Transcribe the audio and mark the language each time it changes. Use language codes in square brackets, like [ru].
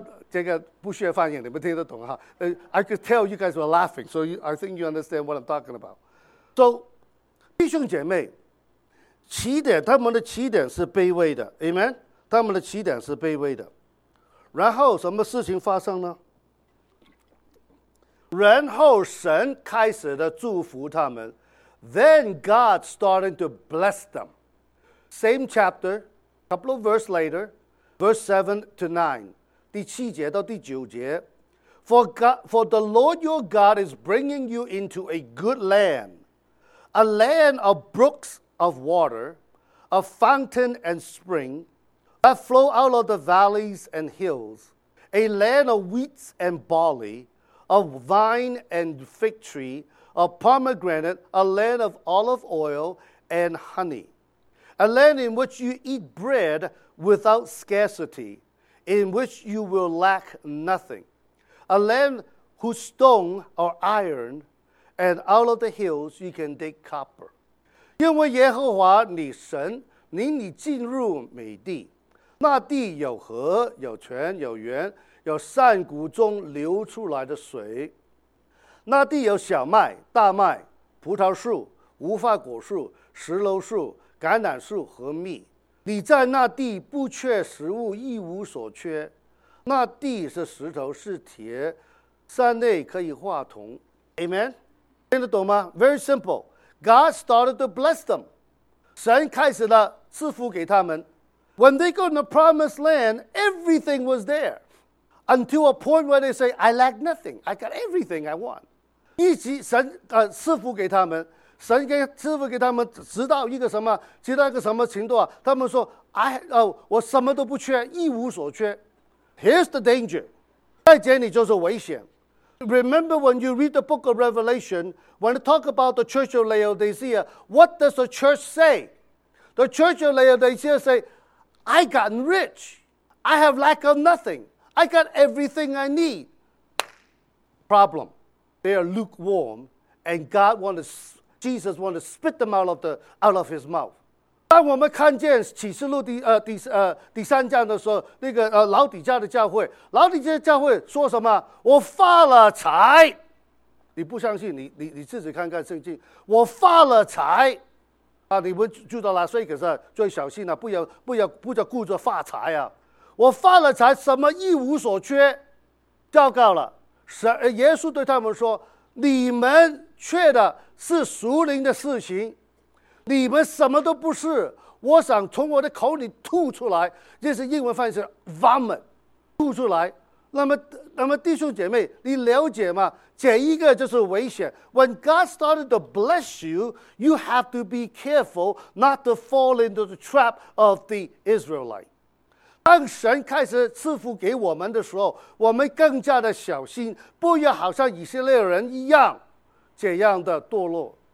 [zh] 这个不需要翻译，你们听得懂哈。 [en] I could tell you guys were laughing, so I think you understand what I'm talking about. [zh] So, 弟兄姐妹，起点，他们的起点是卑微的。 Amen. 他们的起点是卑微的。然后什么事情发生呢？然后神开始的祝福他们。 [en] Then God started to bless them. Same chapter. Couple of verse later, verse 7 to 9, [zh] 第七节到第九节 [en] for the Lord your God is bringing you into a good land, a land of brooks of water, a fountain and spring that flow out of the valleys and hills, a land of wheat and barley, of vine and fig tree, of pomegranate, a land of olive oil and honey. A land in which you eat bread without scarcity, in which you will lack nothing. A land whose stone are iron, and out of the hills you can dig copper. [zh] 因为耶和华你神领你进入美地，那地有河，有泉，有源，有山谷中流出来的水。那地有小麦、大麦、葡萄树、无花果树、石榴树。橄榄树和蜜，你在那地不缺食物，一无所缺。那地是石头，是铁，山内可以化铜。Amen， 听得懂吗 ？ [en] Very simple. God started to bless them. [zh] 神开始了赐福给他们。 [en] When they go to the promised land, everything was there. Until a point where they say, I lack nothing. I got everything I want. [zh] 一直神赐福给他们。神给赐福给他们，直到一个什么，直到一个什么程度啊？他们说，我什么都不缺，一无所缺。 [en] Here's the danger. [zh] 在这里就是危险。 [en] Remember when you read the book of Revelation, when they talk about the church of Laodicea, what does the church say? The church of Laodicea say, I gotten rich. I have lack of nothing. I got everything I need. Problem. They are lukewarm, and God wants to, Jesus wants to spit them out of his mouth. [zh] 当我们看见启示录 第三章的时候，那个老底家的教会，老底家教会说什么？我发了财。你不相信，你自己看看圣经。我发了财。啊，你们知道了，所以可是最小心了，不要顾着发财啊！我发了财，什么一无所缺，糟糕了！耶稣对他们说：“你们缺的是属灵的事情，你们什么都不是。我想从我的口里吐出来，这是英文翻译是 vomit， 吐出来。那么弟兄姐妹，你了解吗？” 这一个就是危险。 [en] When God started to bless you, you have to be careful not to fall into the trap of the Israelite. [zh] 当神开始赐福给我们的时候，我们更加的小心，不要好像以色列人一样，这样的堕落。